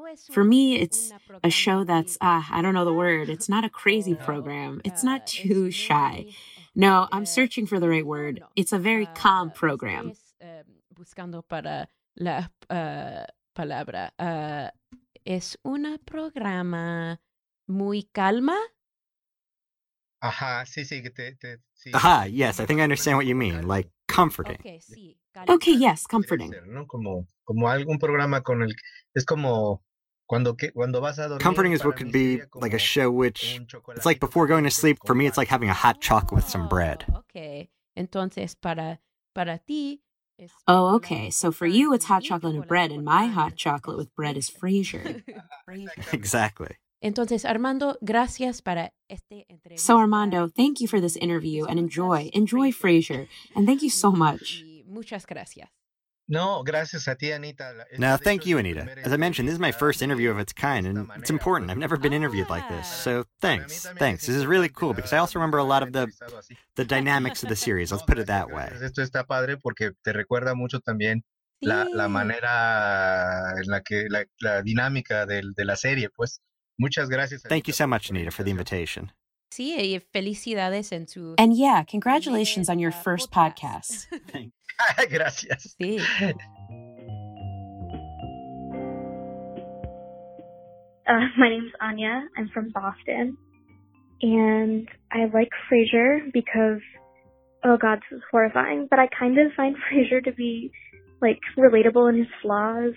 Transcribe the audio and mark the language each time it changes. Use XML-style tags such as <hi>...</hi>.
<en>for me, it's a show that's, I don't know the word. It's not a crazy program. It's not too shy. No, I'm searching for the right word. It's a very calm program.</en> <es>Buscando para... La palabra es una programa muy calma. Ajá, sí, sí, sí.</es> <en>Ajá, yes, I think I understand what you mean, like comforting. Okay, yes, comforting.</en> <es>Como algún programa con el es como cuando vas a dormir.</es> <en>Comforting is what could be like a show which it's like before going to sleep. For me, it's like having a hot chocolate with some bread.</en> <es>Okay, entonces para ti.</es> <en>Oh, okay. So for you, it's hot chocolate and bread, and my hot chocolate with bread is Frasier. Exactly.</en> <es>Entonces, Armando, gracias para este entrevista.</es> <en>So, Armando, thank you for this interview, and enjoy Frasier, and thank you so much.</en> <es>Muchas gracias. No, gracias a ti, Anita.</es> <en>No, thank you, Anita. As I mentioned, this is my first interview of its kind, and it's important. I've never been interviewed like this, so thanks. This is really cool because I also remember a lot of the dynamics of the series. Let's put it that way.</en> <es>Esto está padre porque te recuerda mucho también la manera en la que la dinámica de la serie, pues. Muchas gracias.</es> <en>Thank you so much, Anita, for the invitation.</en> <es>Sí, y felicidades en tu.</es> <en>And yeah, congratulations on your first podcast.</en> <es>Gracias. Sí.</es> <en>My name's Anya. I'm from Boston. And I like Frasier because, oh God, this is horrifying, but I kind of find Frasier to be, like, relatable in his flaws.</en>